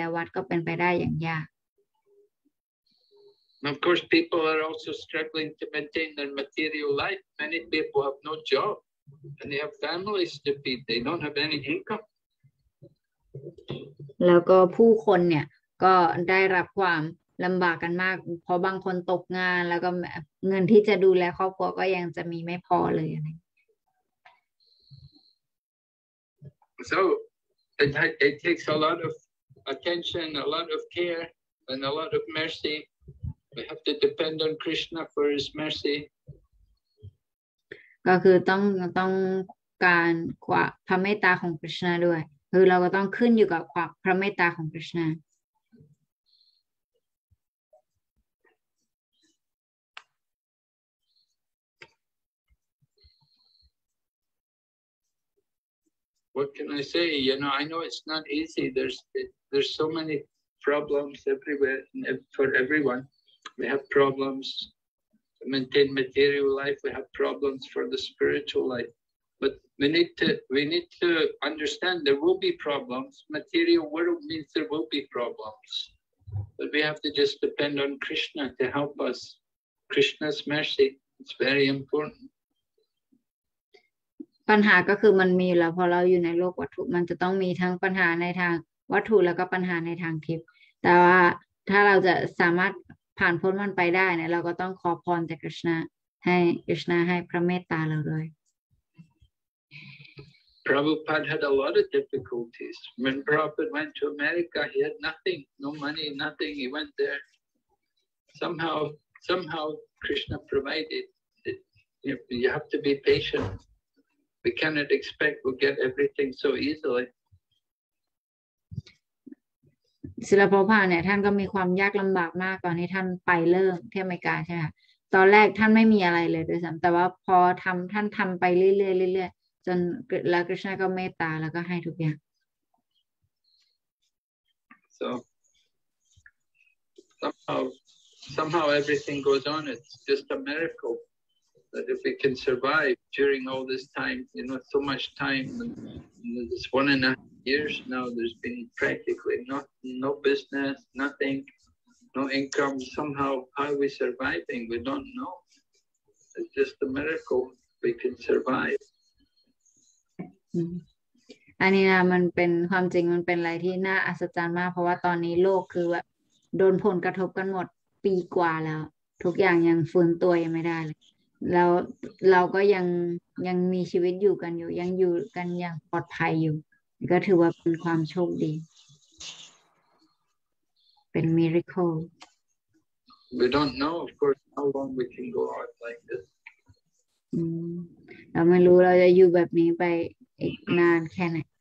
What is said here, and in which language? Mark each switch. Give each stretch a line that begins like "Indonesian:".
Thai: ตอนนี้เนี่ยในสถานการณ์เช่นนี้เนี่ยวัดหลายแห่งก็ได้รับผลกระทบเหมือนกันเพราะว่ากับสถานการณ์เช่นนี้คือคนมาไม่ได้แล้วก็ก็ไม่มีเงินทำบุญมาวัดทำให้การดูแลวัดก็เป็นไปได้อย่างยาก
English: Of course people are also struggling to maintain their material life. Many people have no job and they have families to feed. They don't have any income.
Thai: แล้วก็ผู้คนเนี่ย ก็ได้รับความลำบากกันมากเพราะบางคนตกงานแล้วก็เงินที่จะดูแลครอบครัวก็ยังจะมีไม่พอเลย
English: So it takes a lot of attention, a lot of care, and a lot of mercy. We have to depend on Krishna for his mercy.
Thai: ก็คือต้องการพระเมตตาของกฤษณะด้วยคือเราก็ต้องขึ้นอยู่กับพระเมตตาของกฤษณะ
English: What can I say? You know, I know it's not easy. There's so many problems everywhere for everyone. We have problems to maintain material life. We have problems for the spiritual life. But we need to understand there will be problems. Material world means there will be problems. But we have to just depend on Krishna to help us. Krishna's mercy is very important.
Thai: ปัญหาก็คือมันมีแล้วพอเราอยู่ในโลกวัตถุมันจะต้องมีทั้งปัญหาในทางวัตถุแล้วก็ปัญหาในทางทิพย์แต่ว่าถ้าเราจะสามารถผ่านพ้นมันไปได้เนี่ยเราก็ต้องขอพรจากกฤษณะให้กฤษณะให้พระเมตตาเราด้วย
English: Prabhupada had a lot of difficulties. When Prabhupada went to America, he had nothing, no money, nothing. He went there. somehow Krishna provided it. You have to be patient. We cannot expect we'll get everything so easily.
Thai: ศิลปพาเนี่ยท่านก็มีความยากลำบากมากตอนที่ท่านไปเริ่มที่อเมริกาใช่ไหมตอนแรกท่านไม่มีอะไรเลยด้วยซ้ำแต่ว่าพอทำท่านทำไปเรื่อยๆเรื่อยๆจนแล้วกฤษณะก็เมตตาแล้วก็ให้ทุกอย่าง
English: so somehow everything goes on. It's just a miracle that if we can survive during all this time, you know, so much time, and this 1.5 years now, there's been practically no business, nothing, no income. Somehow, how are we surviving? We don't know. It's just a miracle we can survive.
Thai: อันนี้นะมันเป็นความจริงมันเป็นอะไรที่น่าอัศจรรย์มากเพราะว่าตอนนี้โลกคือแบบโดนผลกระทบกันหมดปีกว่าแล้วทุกอย่างยังฟื้นตัวยังไม่ได้เลยแล้วเราก็ยังมีชีวิตอยู่กันอยู่ยังอยู่กันอย่างปลอดภัยอยู่ก็ถือว่าเป็นความโชคดีเป็นมิราเคิล
English: We don't know of course how long we can go out like
Thai: this เราไม่รู้เราจะอยู่แบบนี้ไปอีกนานแค่ไหน